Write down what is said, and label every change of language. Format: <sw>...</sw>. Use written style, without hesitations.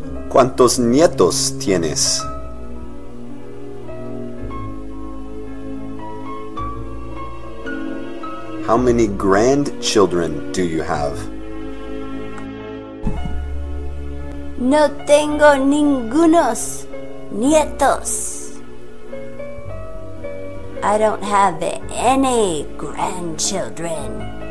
<es>¿Cuántos nietos tienes?</es> <en>How many grandchildren do you have?</en> <es>No tengo ningunos nietos.</es> <en>I don't have any grandchildren.</en>